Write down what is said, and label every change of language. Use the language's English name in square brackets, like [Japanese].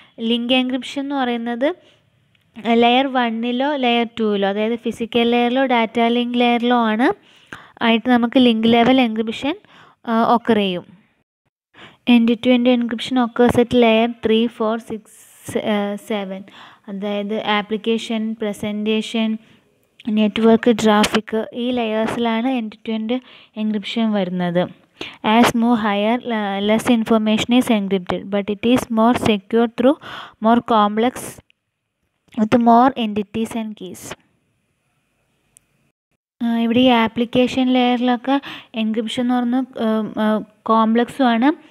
[Malayalam] Link encryption എന്ന് പറയുന്നത് layer വണ്ണിലോ layer ടുവിലോ, അതായത് ഫിസിക്കൽ ലെയറിലോ ഡാറ്റ ലിങ്ക് ലെയറിലോ ആണ് ആയിട്ട് നമുക്ക് ലിങ്ക് ലെവൽ എൻക്രിപ്ഷൻ ഒക്കർ ചെയ്യും. [English] end to end encryption occurs at layer 3, 4, 6, 7, [Malayalam] അതായത് ആപ്ലിക്കേഷൻ, പ്രസൻറ്റേഷൻ, നെറ്റ്വർക്ക്, ട്രാഫിക്, ഈ ലെയേഴ്സിലാണ് എൻഡ് ടു എൻഡ് എൻക്രിപ്ഷൻ വരുന്നത്. [English] As more higher, less information is encrypted, but it is more secure through more complex with more entities and keys. [Malayalam] ഇവിടെ ഈ application ലെയറിലൊക്കെ encryption എന്ന് പറഞ്ഞാൽ കോംപ്ലക്സുമാണ്.